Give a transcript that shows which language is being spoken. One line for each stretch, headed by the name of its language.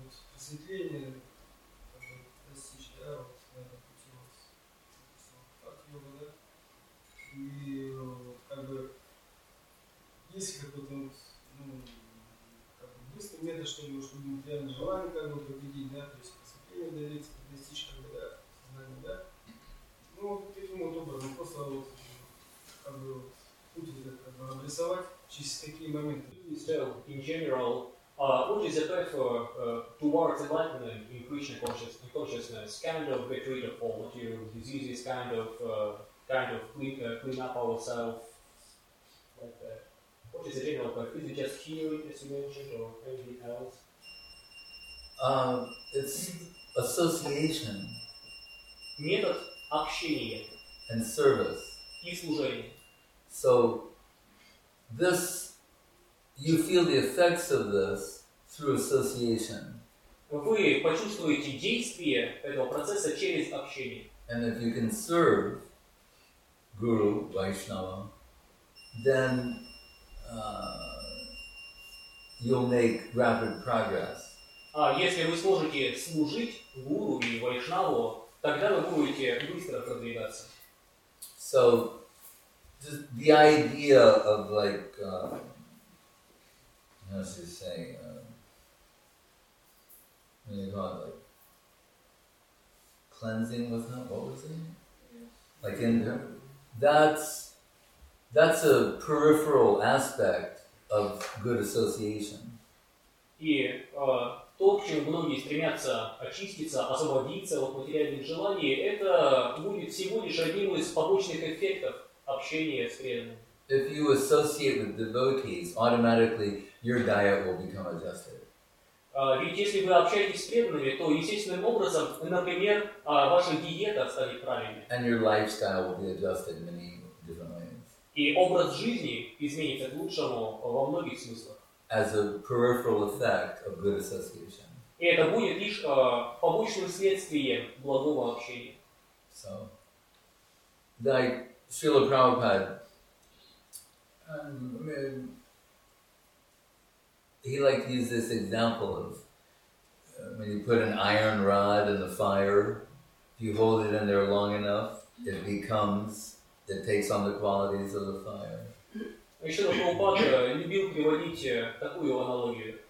Russian: Просветление, как бы, достичь, да, вот, наверное, пути у вас, допустим, от йога, да, и, как бы, есть какой-то, ну, как бы, быстрый метод, чтобы, чтобы материальное желание, как бы, победить, да, то есть, просветление дарить, достичь, как бы, да, сознание, да, ну, вот, таким вот образом, просто, вот, как бы, вот, путь, как бы, обрисовать через такие моменты.
English: So, in general, what is the path towards enlightenment in Krishna consciousness? Kind of get rid of all material diseases, kind of clean up ourselves, like that. What is the general path? Is it just healing, as you mentioned, or anything else? It's association.
Russian: Метод общения.
English: And service.
Russian: И служение.
English: So, this, you feel the effects of this through association.
Russian: Вы почувствуете действие этого процесса через общение.
English: And if you can serve Guru, Vaishnava, then you'll make rapid progress.
Russian: А если вы сможете служить Гуру и Вайшнаву, тогда вы будете быстро продвигаться.
English: So, just the idea of like, as you say, when you call it, like, cleansing, was not, what was it? Like, in there, that's a peripheral aspect of good association.
Russian: И то, к чему многие стремятся очиститься, освободиться от материальных желаний, это будет всего лишь одним из побочных эффектов общения с преданным.
English: If you associate with devotees, automatically your diet will become adjusted.
Russian: Ведь если вы общаетесь с преданными, то естественным образом, например, ваша диета станет правильной.
English: And your lifestyle will be adjusted in many different ways.
Russian: И образ жизни изменится к лучшему во многих смыслах.
English: As a peripheral effect of good association.
Russian: И это будет лишь побочным следствием благого общения.
English: So, like Srila Prabhupada, I mean, he liked to use this example of when you put an iron rod in the fire, if you hold it in there long enough, it becomes, it takes on the qualities of the fire.
Russian: Ещё Прабхупада любил приводить такую аналогию.